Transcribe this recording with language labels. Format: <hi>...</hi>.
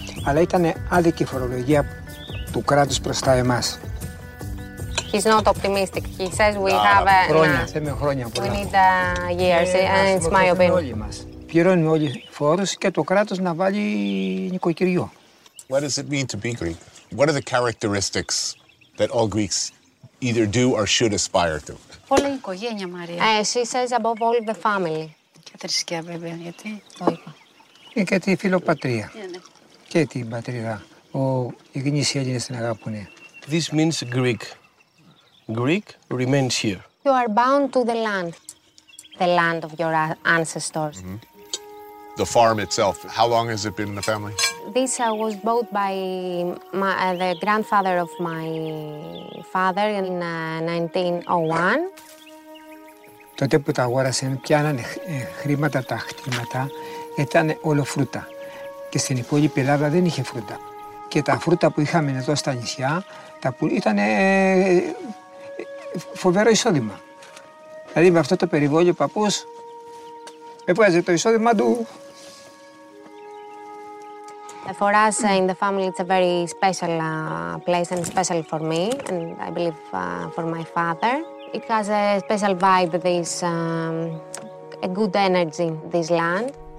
<el>Αλλά ήταν άδικη φορολογία του κράτους προς τα εμάς.</el> <en>He's not optimistic. He says we have</en> <el>χρόνια, θέλουμε χρόνια</el> <en>πολλά. We need years, and it's my opinion.</en> <el>Πληρώνουμε όλοι φόρους και το κράτος να βάλει νοικοκυριό.</el> <en>What does it mean to be Greek? What are the characteristics that all Greeks either do or should aspire to?</en> <el>Όλα η οικογένεια, Μαρία.</el> <en>She says above all the family.</en> <el>Και θρησκεία, βέβαια, γιατί το είπα. Και τη φιλοπατρία. Και την πατρίδα.</el> <en>This means Greek. Greek remains here. You are bound to the land of your ancestors. Mm-hmm. The farm itself, how long has it been in the family? This was bought by the grandfather of my father in 1901.</en> <el>Τότε που τα αγόρασαν, πιάναν χρήματα τα χτήματα, ήταν όλο φρούτα. Και στην υπόλοιπη Ελλάδα δεν είχε φρούτα. Και τα φρούτα που είχαμε εδώ στα νησιά, τα που ήταν φοβερό εισόδημα. Δηλαδή με αυτό το περιβόλιο ο παππούς έβγαζε το εισόδημα του.</el> <en>For us in the family it's a very special place and special for me and I believe for my father. It has a special vibe, this a good energy, this land.</en>